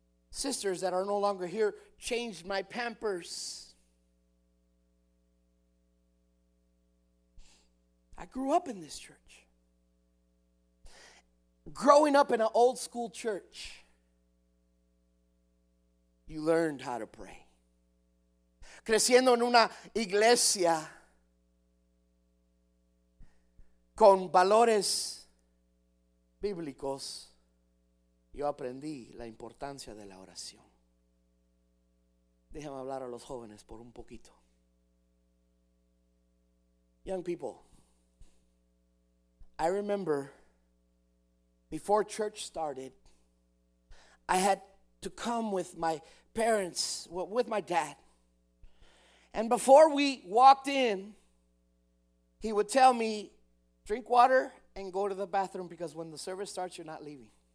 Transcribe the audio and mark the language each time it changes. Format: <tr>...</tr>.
<en>Sisters that are no longer here changed my Pampers. I grew up in this church. Growing up in an old school church, you learned how to pray.</en> <es>Creciendo en una iglesia con valores bíblicos, yo aprendí la importancia de la oración. Déjame hablar a los jóvenes por un poquito.</es> <en>Young people, I remember before church started, I had to come with my parents, with my dad. And before we walked in, he would tell me, drink water and go to the bathroom because when the service starts, you're not leaving.</en>